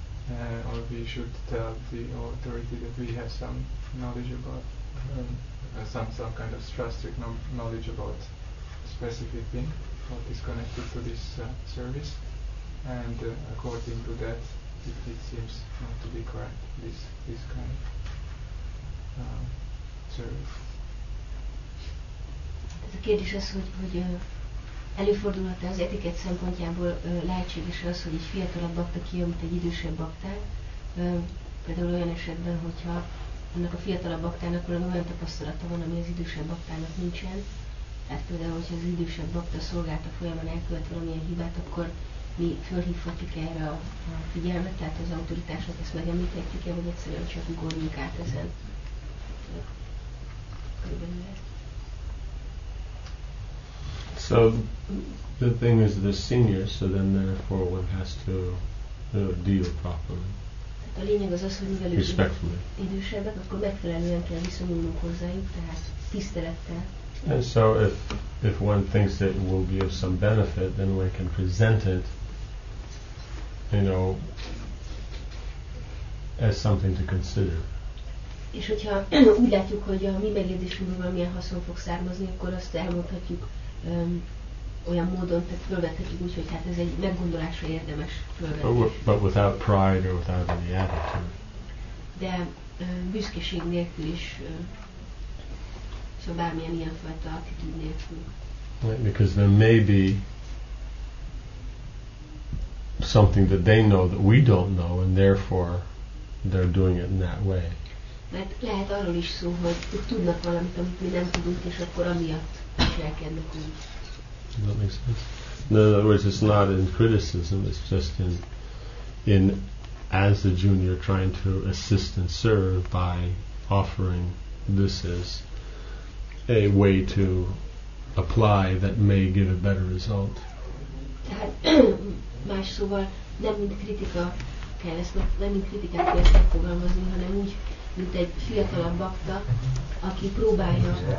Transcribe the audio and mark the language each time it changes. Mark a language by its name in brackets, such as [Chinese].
[English] Or we should tell the authority that we have some knowledge about some kind of specific knowledge about a specific thing what is connected to this service, and according to that, if it seems not to be correct, this kind of service. [Hungarian] The kérdés az, hogy előfordulhat-e az etikett szempontjából lehetséges az, hogy egy fiatalabb bakta kijön, mint egy idősebb baktán. Például olyan esetben, hogyha annak a fiatalabb baktának olyan tapasztalata van, ami az idősebb baktának nincsen. Tehát például, hogyha az idősebb bakta szolgálta folyamán elkövet valamilyen hibát, akkor mi fölhívhatjuk erre a figyelmet, tehát az autoritásnak ezt megemlíthetjük-e, vagy egyszerűen csak ugorjunk át ezen. Körülbelül. [English] So the thing is the senior, so then therefore one has to deal properly. [Hungarian] A lényeg az, hogy mivel [English] respectfully. [Hungarian] Idősebbek, akkor megfelelően kell viszonyulnunk hozzájuk, tehát tisztelettel. [English] And so if one thinks that it will be of some benefit, then one can present it, you know, as something to consider. [Hungarian] És hogyha úgy látjuk, hogy a mi megérzésünkből valamilyen haszon fog származni, akkor azt elmondhatjuk. Olyan módon, tehát fölvethetjük úgy, hogy hát ez egy meggondolásra érdemes fölvetés. [English] But without pride or without any attitude. [Hungarian] De büszkeség nélkül is, szóval bármilyen ilyenfajta attitűd nélkül. [English] Right, because there may be something that they know that we don't know, and therefore they're doing it in that way. [Hungarian] Mert lehet arról is szó, hogy tudnak valamit, amit mi nem tudunk, és akkor amiatt viselkednek úgy. [English] That makes sense. In other words, it's not in criticism, it's just in as the junior trying to assist and serve by offering this as a way to apply that may give a better result. [Hungarian] Tehát más szóval nem mint kritika kell ezt, nem mint kritikát kell ezt megfogalmazni, hanem úgy, mint egy fiatalabb bakta, aki próbálja.